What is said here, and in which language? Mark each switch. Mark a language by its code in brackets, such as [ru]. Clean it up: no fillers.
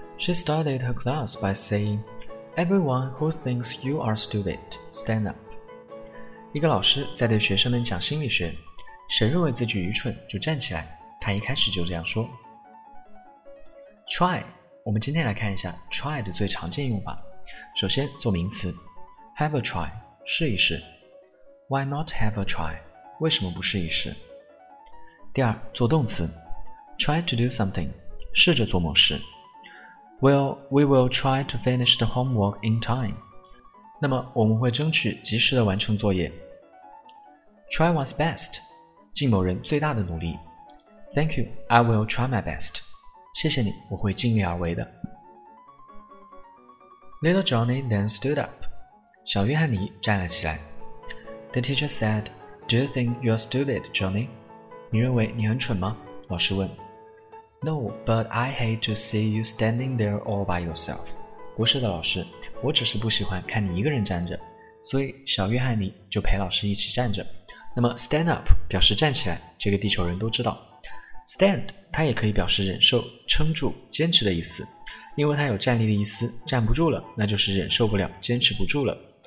[en] She started her class by saying, Everyone who thinks you are stupid, stand up. [zh] 一个老师在对学生们讲心理学，谁认为自己愚蠢就站起来，他一开始就这样说。 Try, 我们今天来看一下 try 的最常见用法。首先做名词。 [en] Have a try, [zh] 试一试。 [en] Why not have a try? [zh] 为什么不试一试？第二，做动词。 [en] Try to do something, [zh] 试着做某事。 [en] Well, we will try to finish the homework in time. [zh] 那么我们会争取及时的完成作业。 [en] Try one's best, [zh] 尽某人最大的努力。 [en] Thank you, I will try my best. [zh] 谢谢你，我会尽力而为的。 [en] Little Johnny then stood up. [zh] 小约翰尼站了起来。 [en] The teacher said, Do you think you're stupid, Johnny? [zh] 你认为你很蠢吗？老师问。 [en] No, but I hate to see you standing there all by yourself. [zh] 不是的，老师，我只是不喜欢看你一个人站着。所以小约翰尼就陪老师一起站着。那么 stand up 表示站起来，这个地球人都知道。Stand 它也可以表示忍受、撑住、坚持的意思。因为它有站立的意思，站不住了，那就是忍受不了，坚持不住了。